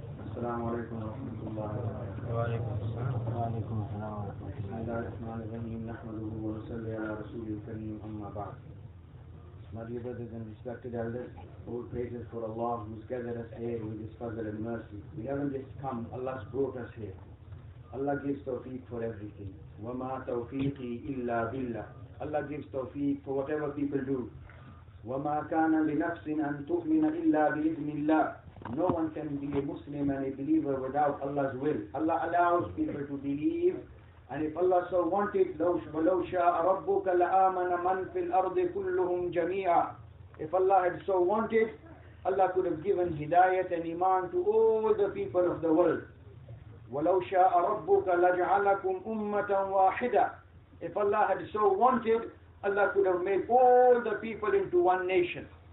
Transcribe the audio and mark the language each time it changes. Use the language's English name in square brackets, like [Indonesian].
[Arabic] السلام عليكم ورحمة الله وبركاته. وعليكم السلام ورحمة الله. بسم الله الرحمن الرحيم، نحمده ونصلي على رسوله الكريم، أما بعد. [English] My brothers and respected elders, all praises for Allah who's gathered us here with His favor and mercy. We haven't just come, Allah's brought us here. Allah gives tawfiq for everything. [Arabic] وَمَا تَوْفِيقِي إِلَّا بِاللَّهِ. [English] Allah gives tawfiq for whatever people do. [Arabic] وَمَا كَانَ لِنَفْسٍ أَن تُؤْمِنَ إِلَّا بِإِذْنِ اللَّهِ. [English] No one can be a Muslim and a believer without Allah's will. Allah allows people to believe. And if Allah so wanted, [Arabic] لَوْ شَاءَ رَبُّكَ لَآمَنَ مَنْ فِي الْأَرْضِ كُلُّهُمْ جَمِيعًا. [English] If Allah had so wanted, Allah could have given hidayat and iman to all the people of the world. [Arabic] وَلَوْ شَاءَ رَبُّكَ لَجْعَلَكُمْ أُمَّةً وَاحِدًا. [English] If Allah had so wanted, Allah could have made all the people into one nation.